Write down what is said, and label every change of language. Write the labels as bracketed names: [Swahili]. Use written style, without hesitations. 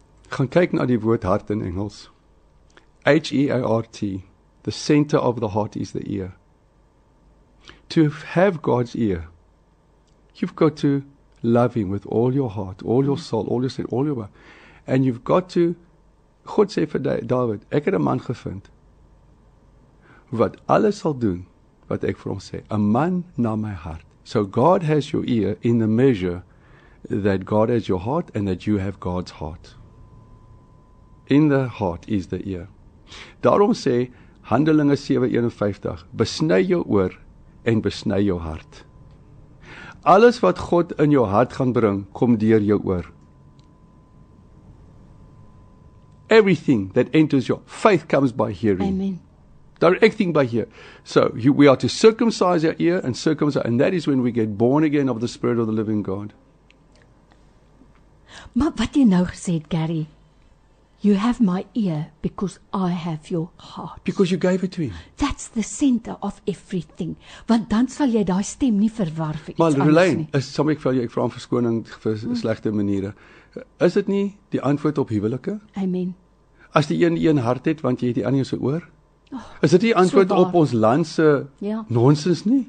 [Afrikaans] Gaan kyk na die woord hart in Engels. H-E-A-R-T. [English] The center of the heart is the ear. To have God's ear, you've got to love him with all your heart, all your soul, all your strength, all your mind. And you've got to, [Afrikaans] God sê vir David, ek het 'n man gevind, wat alles sal doen, wat ek vir hom sê, 'n man na my hart. [English] So God has your ear in the measure that God has your heart and that you have God's heart. In the heart is the ear. [Afrikaans] Daarom sê, Handelinge 7:51, besny jou oor en besny jou hart. Alles wat God in jou hart gaan bring, kom deur jou oor. [English] Everything that enters your faith comes by hearing. Amen. Directing by hearing. So we are to circumcise our ear and circumcise, and that is when we get born again of the Spirit of the living God. [Afrikaans] Maar wat jy nou gesê het, [English] Gary, you have my ear because I have your heart. Because you gave it to him. That's the center of everything. [Afrikaans] Want dan sal jy daai stem nie verwar vir iets anders nie. Maar Rolijn, is sommer ek vir jou, ek vraag verskoning vir slegte maniere. Is dit nie die antwoord op huwelike? Amen. As die een hart het, want jy het die ander se oor? Is dit die antwoord op ons landse nonsens nie?